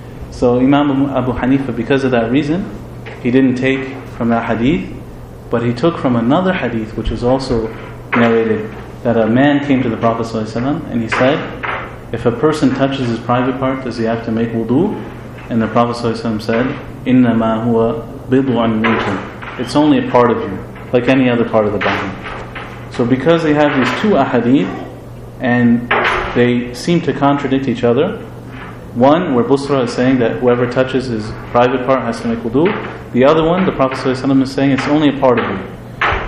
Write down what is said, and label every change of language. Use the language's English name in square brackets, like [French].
[English] So Imam Abu Hanifa, because of that reason, he didn't take from that hadith, but he took from another hadith, which was also narrated, that a man came to the Prophet ﷺ and he said, if a person touches his private part, does he have to make wudu? And the Prophet ﷺ said, [Arabic] إِنَّمَا هُوَ بِضْعٌ مِنْكُمْ. [English] It's only a part of you, like any other part of the body. So because they have these two ahadith, and they seem to contradict each other, one where Busra is saying that whoever touches his private part has to make wudu, the other one, the Prophet ﷺ is saying, it's only a part of you.